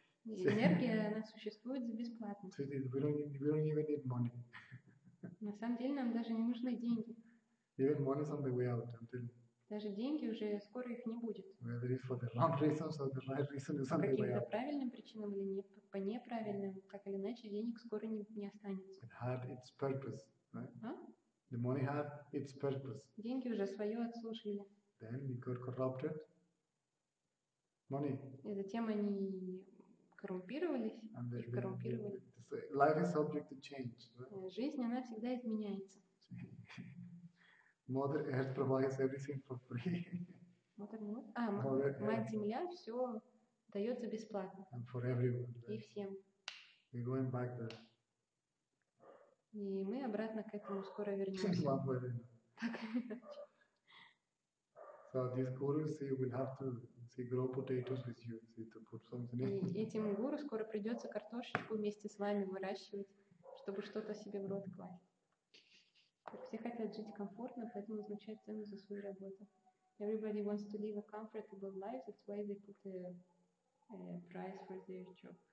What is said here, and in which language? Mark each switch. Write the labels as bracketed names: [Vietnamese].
[Russian] Энергия, она существует за бесплатно. [English] We don't even need money. [Russian] На самом деле, нам даже не нужны деньги. [English] Even money's on the way out, I'm telling you. [Russian] Даже деньги уже скоро их не будет. [English] Whether it's for the wrong reasons or the right reason, it's on the way out. [Russian] По каким-то правильным причинам или не по неправильным, так или иначе, денег скоро не останется. [English] It had its purpose, right? The money had its purpose. [Russian] Деньги уже свое отслужили. [English] Then it got corrupted. Money. [Russian] И затем они коррумпировались [English] and [Russian] и коррумпировали. [English] Life is subject to change, right? [Russian] Жизнь, она всегда изменяется. [English] Mother Earth provides everything for free. [Russian] Мать-Земля все дается бесплатно. [English] And for everyone, right? [Russian] И всем. [English] We're going back there. [Russian] И мы обратно к этому скоро вернемся. Так. [English] So this guru, see, will have to see grow potatoes with you, see, to put something in. [Russian] И этим гуру скоро придется картошечку вместе с вами выращивать, чтобы что-то себе в рот класть. Все хотят жить комфортно, поэтому означает цену за свою работу. [English] Everybody wants to live a comfortable life, that's why they put a price for their job.